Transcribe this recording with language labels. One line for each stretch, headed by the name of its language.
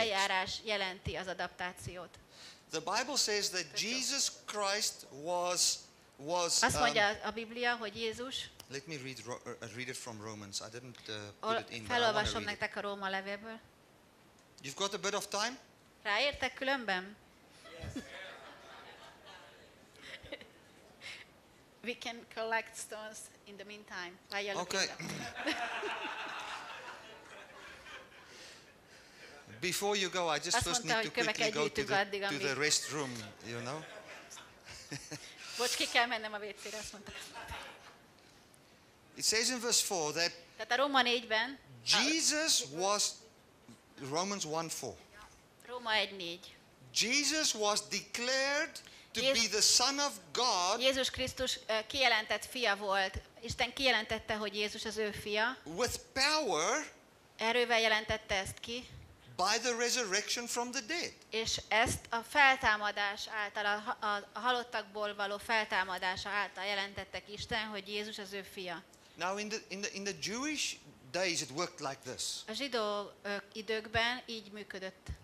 Hungarian: Eljárás jelenti az adaptációt.
English: The Bible says that Jesus Christ was
Hungarian: azt mondja a Biblia, hogy Jézus.
English: Let me read, read it from Romans. I didn't put it in.
Hungarian: Felolvasom nektek a Róma levélből.
English: You've got a bit of time?
Hungarian: Ráértek különben?
English: We can collect stones in the meantime. Okay. Before you go, I just
Hungarian: azt
English: first
Hungarian: mondta,
English: need to quickly go to the,
Hungarian: addig,
English: to the rest room, you know.
Hungarian: Bocs, ki kell mennem a WC-re, azt mondta.
English: It says in verse 4 that
Hungarian: tehát a Róma 4-ben
English: Jesus was Romans 1:4.
Hungarian: Róma 1:4.
English: Jesus was declared to be the Son of God.
Hungarian: Jézus Krisztus kijelentett fia volt. Isten kijelentette, hogy Jézus az ő fia.
English: With power.
Hungarian: Erővel jelentette ezt ki.
English: By the resurrection from the dead.
Hungarian: És ezt a feltámadás által, a halottakból való feltámadása által jelentette ki Isten, hogy Jézus az ő fia.
English: Now in the Jewish days it worked like this.
Hungarian: A zsidó időkben így működött.